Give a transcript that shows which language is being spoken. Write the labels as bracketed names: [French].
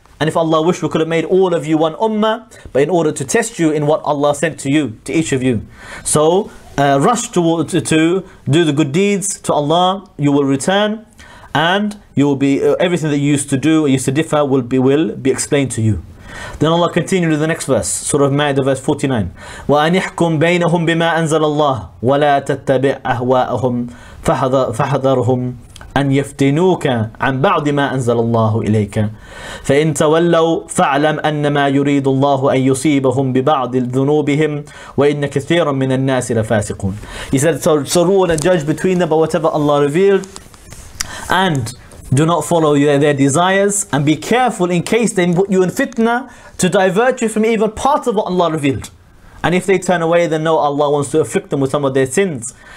[English] And if Allah wished, we could have made all of you one ummah, but in order to test you in what Allah sent to you, to each of you. So rush to do the good deeds to Allah, you will return, and you will be everything that you used to do or used to differ will be explained to you. Then Allah continued in the next verse, Surah Ma'idah verse 49. [Arabic] وَأَنِحْكُمْ بَيْنَهُمْ بِمَا أَنزَلَ اللَّهُ وَلَا تَتَّبِعْ أَهْوَاءَهُمْ فَحَذَرْهُمْ أن يفتنوك عن بعض ما أنزل الله إليك فإن تولوا فاعلم أنما يريد الله أن يصيبهم ببعض ذنوبهم وإن كثيرا من الناس لفاسقون. [English] He said, so rule and judge between them by whatever Allah revealed, and do not follow their desires, and be careful in case they put you in fitna to divert you from even part of what Allah revealed. And if they turn away, then know Allah wants to afflict them with some of their sins.